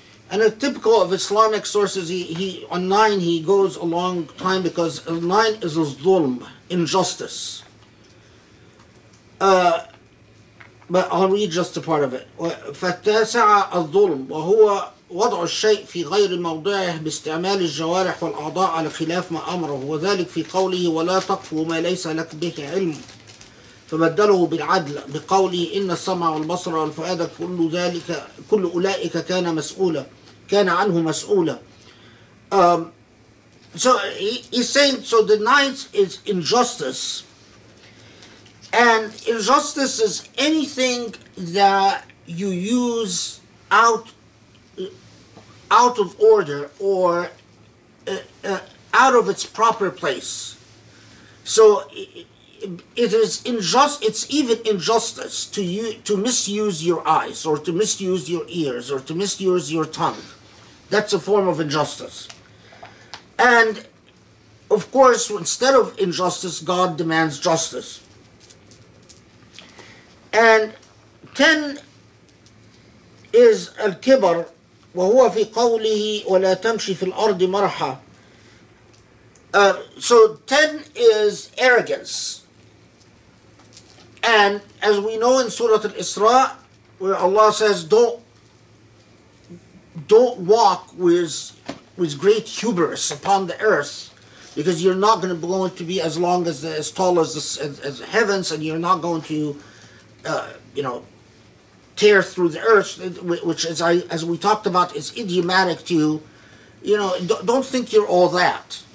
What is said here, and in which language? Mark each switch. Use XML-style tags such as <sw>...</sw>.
<en>And a typical of Islamic sources, he on nine he goes a long time because nine is a zulm, injustice. But I'll read just a part of it.</en> <ar>فالتاسعة الظلم وهو وضع الشيء في غير موضعه باستعمال الجوارح والأعضاء على خلاف ما أمره وذلك في قوله ولا تقف ما ليس لك به علم فبدله بالعدل بقوله إن السمع والبصر والفؤاد كل ذلك كل أولئك كان مسؤولا كان عنه مسؤولا.</ar> <en>So he's saying, so the ninth is injustice. And injustice is anything that you use out of order or out of its proper place. So it is unjust. It's even injustice to misuse your eyes or to misuse your ears or to misuse your tongue. That's a form of injustice. And of course, instead of injustice, God demands justice. And 10 is al-kibar,</en> <ar>وَهُوَ فِي قَوْلِهِ وَلَا تَمْشِ فِي الْأَرْضِ مَرْحًا.</ar> <en>So 10 is arrogance. And as we know in Surah Al-Isra, where Allah says, don't walk with great hubris upon the earth, because you're not going to be as long as tall as the heavens, and you're not going to, tear through the earth, which, as we talked about, is idiomatic to, don't think you're all that.</en>